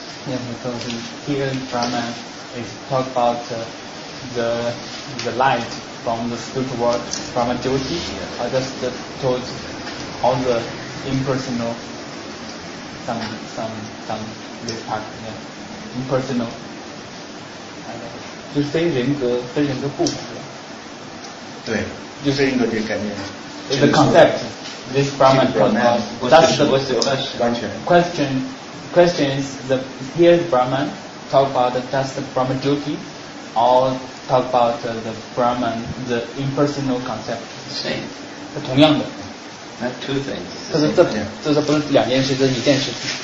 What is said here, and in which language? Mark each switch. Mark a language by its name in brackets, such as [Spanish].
[English] Yeah, because here in Brahman is talk about the light from the spiritual world, Brahman Jyoti. I just told all the impersonal some this part, yeah. Impersonal， [Chinese] 就是非人格，非人格部分。对，就是非人格这个概念。 [English] The concept， this Brahman talks about， that's the question。 [Chinese] 完全。 [English] Question is the here Brahman talk about just the Brahman Jyoti， or talk about the Brahman the impersonal concept？ Same， [Chinese] 同样的。 [English] Not two things。 [Chinese] 这是不是两件事，这是一件事情。